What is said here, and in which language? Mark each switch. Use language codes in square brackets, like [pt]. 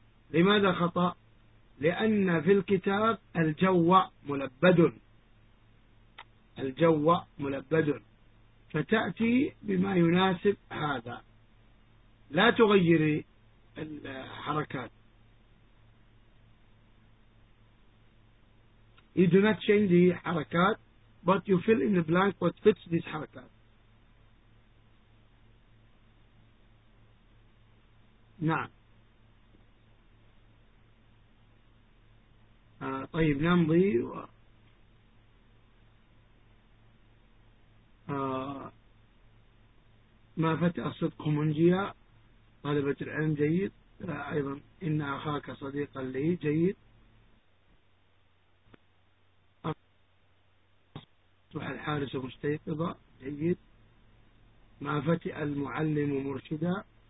[ar] لماذا خطأ؟ لأن في الكتاب الجو ملبد، الجو ملبد، فتأتي بما يناسب هذا، لا تغيري الحركات. [en] You do not change the حركات but you fill in the blank what fits these حركات. [ar] نعم، طيب نمضي ما فتأ صدق منجية طالبة العلم، جيد، أيضا إن أخاك صديقا لي، جيد، أصبح الحارس مستيقظا، جيد، ما فتئ المعلم مرشدا،